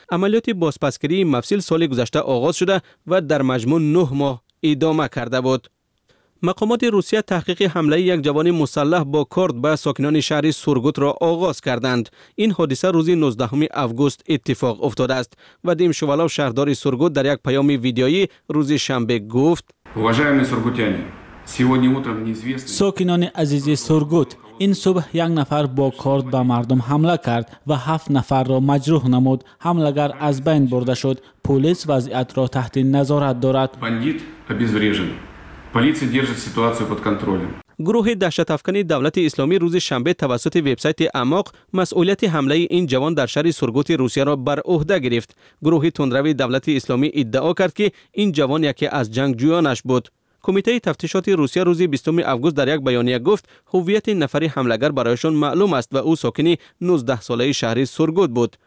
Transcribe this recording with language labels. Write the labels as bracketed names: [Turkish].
[Persian] عملیات بازپسگیری موصل سال گذشته آغاز شده و در مجموع 9 ماه ادامه کرده بود. مقامات روسیه تحقیق حمله یک جوان مسلح با کارد به ساکنان شهر سورگوت را آغاز کردند. این حادثه روز 19 آوگوست اتفاق افتاده است. ودیم شوالاو شهردار سورگوت در یک پیام ویدیویی روز شنبه گفت: [Russian] "Уважаемые сургутяне, сегодня утром неизвестный [Persian] ساکنان عزیز سورگوت، این صبح یک نفر با کارد به مردم حمله کرد و 7 نفر را مجروح نمود. حملگر از بین برده شد. پلیس وضعیت را تحت نظارت دارد. [Russian] بندیت обезврежен. Полиция держит ситуацию под контролем." [Persian] گروه دهشت افکن دولت اسلامی روز شنبه توسط وبسایت اماق مسئولیت حمله این جوان در شهر سورگوت روسیه را بر عهده گرفت. گروه تندروی دولت اسلامی ادعا کرد که این جوان یکی از جنگجویانش بود. کمیته تفتیشات روسیه روز 20 آوگوست در یک بیانیه گفت هویت نفر حملگر برایشان معلوم است و او ساکن 19 ساله شهر سورگوت بود.